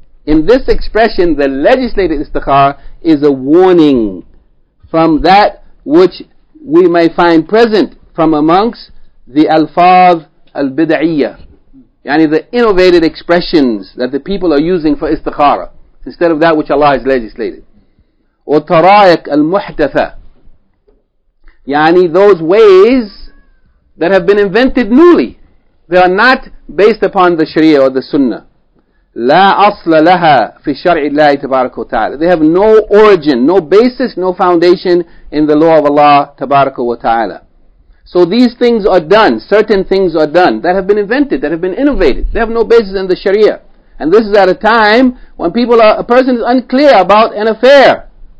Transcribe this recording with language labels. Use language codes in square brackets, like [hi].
[en] In this expression, the legislated istikhara is a warning from that which we may find present from amongst the alfaz al-bid'iyya, yani the innovated expressions that the people are using for istikhara instead of that which Allah has legislated. [ar] وطرائق المحدثة, [en] yani those ways that have been invented newly. They are not based upon the Sharia or the Sunnah. [ar] لا أصل لها في شرع الله تبارك وتعالى. [en] They have no origin, no basis, no foundation in the law of Allah [ar] تبارك وتعالى. [en] So these things are done, certain things are done that have been invented, that have been innovated. They have no basis in the Sharia. And this is at a time when a person is unclear about an affair.